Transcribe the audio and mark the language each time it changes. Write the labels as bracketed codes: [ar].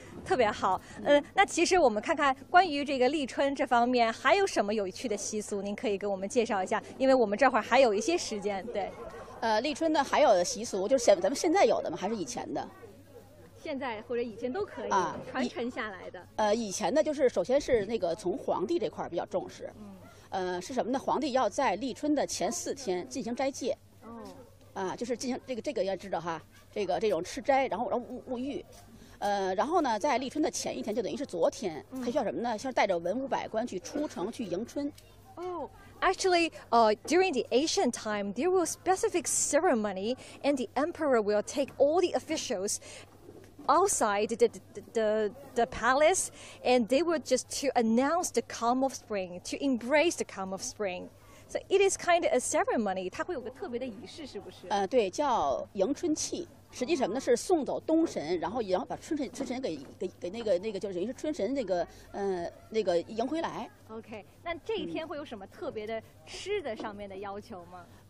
[zh] 特别好。那其实我们看看关于这个立春这方面还有什么有趣的习俗您可以给我们介绍一下，因为我们这会儿还有一些时间。对，立春呢还有的习俗就是咱们现在有的吗？还是以前的？现在或者以前都可以传承下来的。以前呢就是首先是那个从皇帝这块比较重视，是什么呢？皇帝要在立春的前四天进行斋戒。就是进行这个要知道哈，这种吃斋，然后沐浴。然后呢，在立春的前一天，就等于是昨天，还需要什么呢？像带着文武百官去出城去迎春。哦， [en] Actually, during the ancient time, there was a specific ceremony, and the emperor will take all the officials outside the palace, and they were just to announce the calm of spring, to embrace the calm of spring. So it is kind of a ceremony. [zh] 它会有个特别的仪式，是不是？对，叫迎春气。实际什么呢？是送走冬神，然后把春神给那个就是等于是春神那个迎回来。 OK， 那这一天会有什么特别的吃的上面的要求吗？